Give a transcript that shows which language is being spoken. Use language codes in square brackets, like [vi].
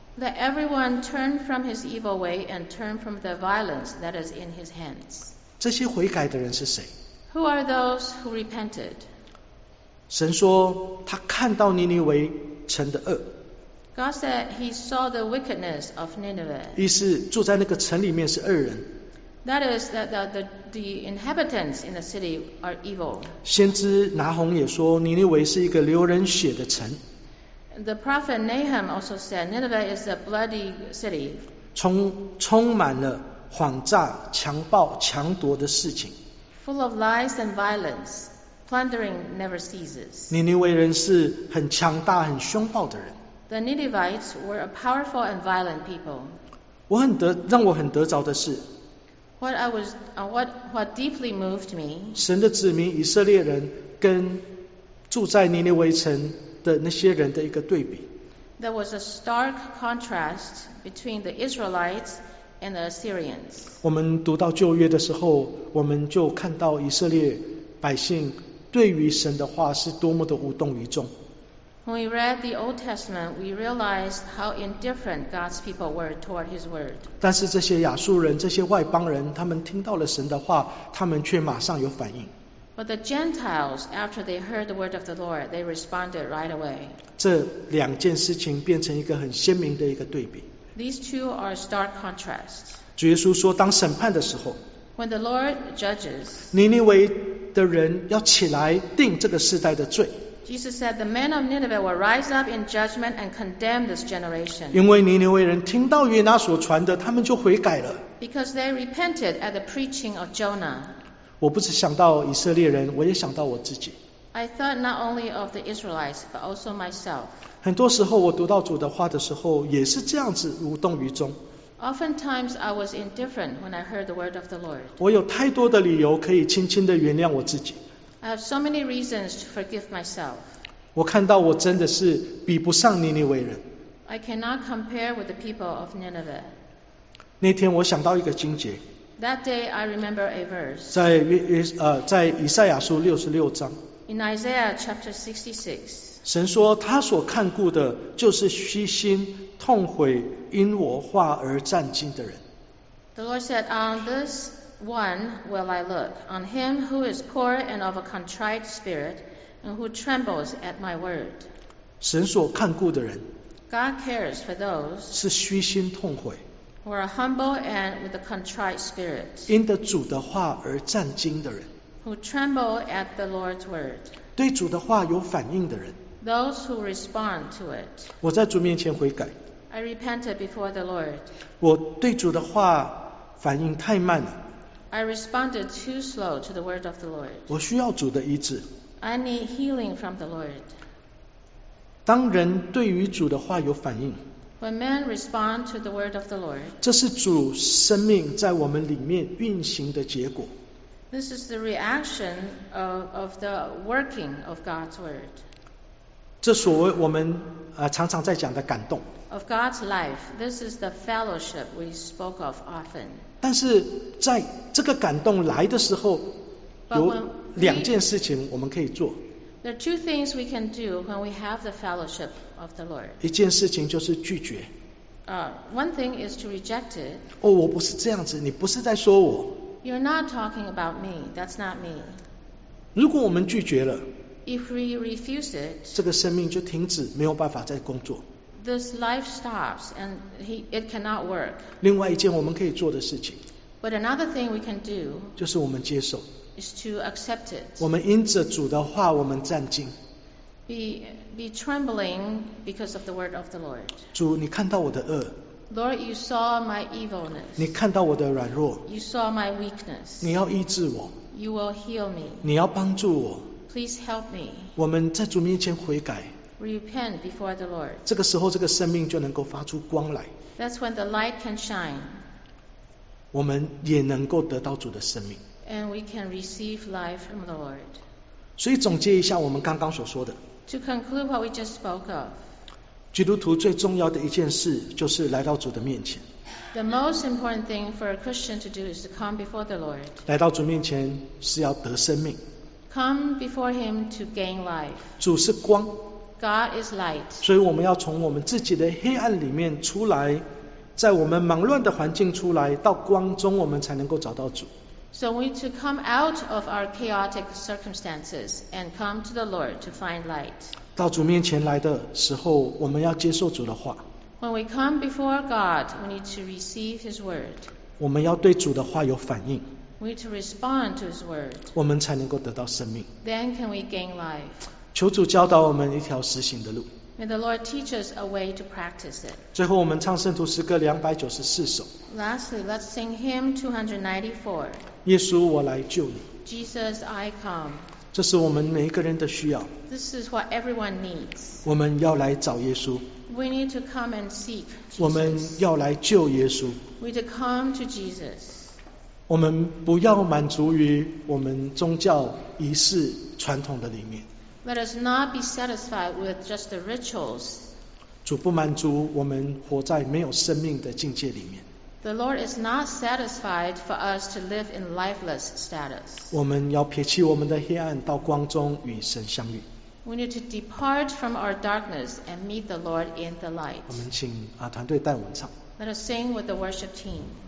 [en] Let everyone turn from his evil way and turn from the violence that is in his hands. [zh] 这些悔改的人是谁？ [en] Who are those who repented? [zh] 神说他看到尼尼微城的恶。 [en] God said he saw the wickedness of Nineveh. [zh] 意思住在那个城里面是恶人。 [en] That is that the inhabitants in the city are evil. [zh] 先知拿鸿也说尼尼微是一个流人血的城。 [en] The prophet Nahum also said Nineveh is a bloody city. [zh] 充满了谎诈、强暴、强夺的事情。 [en] Full of lies and violence, plundering never ceases. [zh] 尼尼微人是很强大、很凶暴的人。 [en] The Ninevites were a powerful and violent people. [zh] 让我很得着的是。 [en] What deeply moved me. [zh] 神的子民以色列人跟住在尼尼微城的那些人的一个对比。 [en] There was a stark contrast between the Israelites. And the Assyrians. [zh] 我们读到旧约的时候，我们就看到以色列百姓对于神的话是多么的无动于衷。 [en] When we read the Old Testament, we realized how indifferent God's people were toward His word. [zh] 但是这些亚述人、这些外邦人，他们听到了神的话，他们却马上有反应。 [en] But the Gentiles, after they heard the word of the Lord, they responded right away. [zh] 这两件事情变成一个很鲜明的一个对比。 [en] These two are stark contrasts. [zh] 主耶稣说，当审判的时候， [en] When the Lord judges, [zh] 尼尼微的人要起来定这个世代的罪。 [en] Jesus said, the men of Nineveh will rise up in judgment and condemn this generation. [zh] 因为尼尼微人听到约拿所传的，他们就悔改了。 [en] Because they repented at the preaching of Jonah. [zh] 我不只想到以色列人，我也想到我自己。 [en] I thought not only of the Israelites, but also myself. [zh] 很多时候我读到主的话的时候也是这样子无动于衷。 [en] Oftentimes I was indifferent when I heard the word of the Lord. [zh] 我有太多的理由可以轻轻地原谅我自己。 [en] I have so many reasons to forgive myself. [zh] 我看到我真的是比不上尼尼微人。 [en] I cannot compare with the people of Nineveh. [zh] 那天我想到一个经节。 [en] That day I remember a verse. [zh] 在以赛亚书66章。 [en] In Isaiah chapter 66. [zh] 神说他所看顾的就是虚心痛悔因我话而战惊的人。 [en] The Lord said, On this one will I look, on him who is poor and of a contrite spirit, and who trembles at my word. [zh] 神所看顾的人， [en] God cares for those [zh] 是虚心痛悔， [en] or a humble and with a contrite spirit, [zh] 因着主的话而战惊的人， [en] who tremble at the Lord's word, [zh] 对主的话有反应的人， [en] those who respond to it, [zh] 我在主面前悔改， [en] I repented before the Lord, [zh] 我对主的话反应太慢了， [en] I responded too slow to the word of the Lord, [zh] 我需要主的医治， [en] I need healing from the Lord. [zh] 当人对于主的话有反应， [en] When men respond to the word of the Lord, [zh] 这是主生命在我们里面运行的结果。 [en] This is the reaction of the working of God's word. [zh] 这所谓我们常常在讲的感动。 [en] Of God's life, this is the fellowship we spoke of often. [zh] 但是在这个感动来的时候，有两件事情我们可以做。 [en] There are two things we can do when we have the fellowship of the Lord. [zh] 一件事情就是拒绝。 [en] One thing is to reject it. [zh] 哦，我不是这样子，你不是在说我。 [en] You're not talking about me. That's not me. [zh] 如果我们拒绝了， [en] If we refuse it, [zh] 这个生命就停止，没有办法再工作。 [en] This life stops and it cannot work. [zh] 另外一件我们可以做的事情， [en] But another thing we can do, [zh] 就是我们接受。 [en] Is to accept it. [zh] 我们因着主的话，我们战惊。 [en] Be trembling because of the word of the Lord. [zh] 主，你看到我的恶。 [en] Lord, you saw my evilness. [zh] 你看到我的软弱。 [en] You saw my weakness. [zh] 你要医治我。 [en] You will heal me. [zh] 你要帮助我。 [en] Please help me. [zh] 我们在主面前悔改。 [en] Repent before the Lord. [zh] 这个时候，这个生命就能够发出光来。 [en] That's when the light can shine. [zh] 我们也能够得到主的生命。 [en] And we can receive life from the Lord. [zh] 所以总结一下我们刚刚所说的。 [en] To conclude what we just spoke of. [zh] 基督徒最重要的一件事就是来到主的面前。 [en] The most important thing for a Christian to do is to come before the Lord. [zh] 来到主面前是要得生命。 [en] Come before him to gain life. [zh] 主是光。 [en] God is light. [zh] 所以我们要从我们自己的黑暗里面出来，在我们忙乱的环境出来，到光中我们才能够找到主。 [en] So we need to come out of our chaotic circumstances and come to the Lord to find light. [zh] 到主面前来的时候，我们要接受主的话。 [en] When we come before God, we need to receive His word. [zh] 我们要对主的话有反应。 [en] We need to respond to His word. [zh] 我们才能够得到生命。 [en] Then can we gain life? [zh] 求主教导我们一条实行的路。 [en] May the Lord teach us a way to practice it. [zh] 最后我们唱圣徒诗歌294首。 [en] Lastly, let's sing hymn 294. [zh] 耶稣我来救你。 [en] Jesus, I come. [zh] 这是我们每一个人的需要。 [en] This is what everyone needs. [zh] 我们要来找耶稣。 [en] We need to come and seek Jesus. [zh] 我们要来救耶稣。 [en] We need to come to Jesus. [zh] 我们不要满足于我们宗教仪式传统的里面。 [en] Let us not be satisfied with just the rituals. [zh] 主不满足我们活在没有生命的境界里面。 [en] The Lord is not satisfied for us to live in lifeless status. [zh] 我们要撇弃我们的黑暗，到光中与神相遇。 [en] We need to depart from our darkness and meet the Lord in the light. [zh] 我们请团队带我们唱。 [en] Let us sing with the worship team.